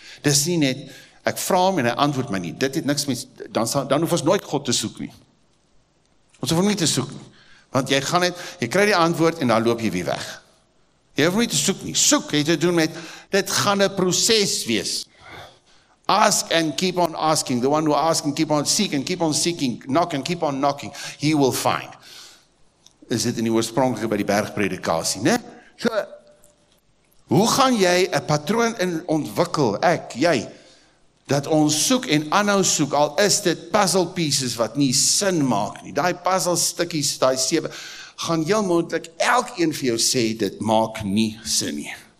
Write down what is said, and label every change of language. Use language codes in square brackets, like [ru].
[af] Dis nie net, ek vra hom en hy antwoord my nie. Dit het niks met, dan hoef ons nooit God te soek nie. Ons hoef hom nie te soek nie. Want jy gaan net, jy kry die antwoord en dan loop jy weer weg. Jy hoef hom nie te soek nie. Soek het te doen met, dit gaan 'n proses wees. [en] Ask and keep on asking. The one who asks and keep on seeking, and keep on seeking, knock and keep on knocking, he will find. [af] Is dit in die oorspronklike by die bergpredikasie, né? So, hoe gaan jy 'n patroon in ontwikkel, ek, jy, dat ons soek en aanhou soek, al is dit puzzle pieces wat nie sin maak nie. Daai puzzle stukkies, daai 7, gaan heel moontlik elkeen vir jou sê, dit maak nie sin nie.